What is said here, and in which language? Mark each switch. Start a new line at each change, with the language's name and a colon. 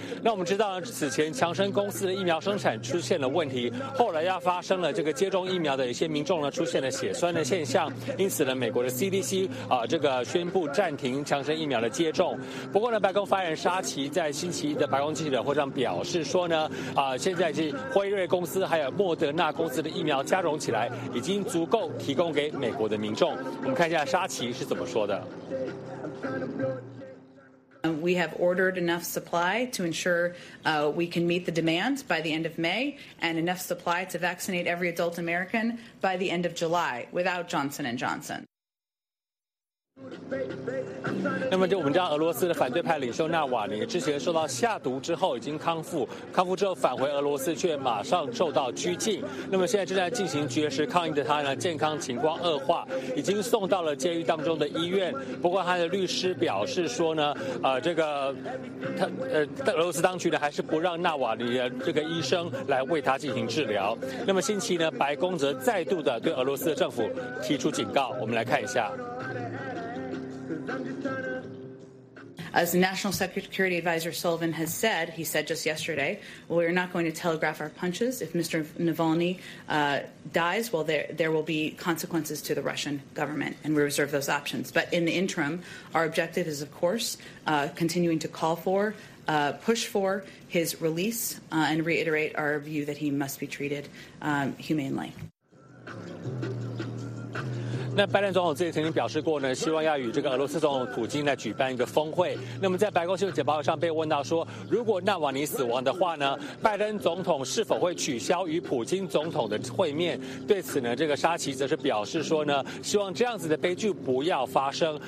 Chinese: 那我们知道此前强生公司的疫苗生产出现了问题，后来又发生了这个接种疫苗的一些民众呢出现了血栓的现象，因此呢美国的 CDC 这个宣布暂停强生疫苗的接种。不过呢白宫发言人沙奇在星期一的白宫记者会上表示说呢现在是辉瑞公司还有莫德纳公司的疫苗加融起来已经足够提供给美国的民众。我们看一下沙奇是怎么说的。
English: We have ordered enough supply to ensure we can meet the demand by the end of May and enough supply to vaccinate every adult American by the end of July without Johnson & Johnson.
Chinese: 那么就我们知道俄罗斯的反对派领袖纳瓦尼之前受到下毒之后已经康复之后返回俄罗斯却马上受到拘禁，那么现在正在进行绝食抗议的他呢健康情况恶化，已经送到了监狱当中的医院。不过他的律师表示说呢俄罗斯当局呢还是不让纳瓦尼的这个医生来为他进行治疗。那么星期呢白宫则再度的对俄罗斯的政府提出警告，我们来看一下。
English: As the National Security Advisor Sullivan has said, he said just yesterday, we are not going to telegraph our punches. If Mr. Navalny dies, well, there will be consequences to the Russian government, and we reserve those options. But in the interim, our objective is, of course, continuing to call for, push for his release, and reiterate our view that he must be treated humanely.
Chinese: 那拜登总统自己曾经表示过呢，希望要与这个俄罗斯总统普京来举办一个峰会。那么在白宫新闻简报上被问到说，如果纳瓦尼死亡的话呢，拜登总统是否会取消与普京总统的会面？对此呢，这个沙奇则是表示说呢，希望这样子的悲剧不要发生。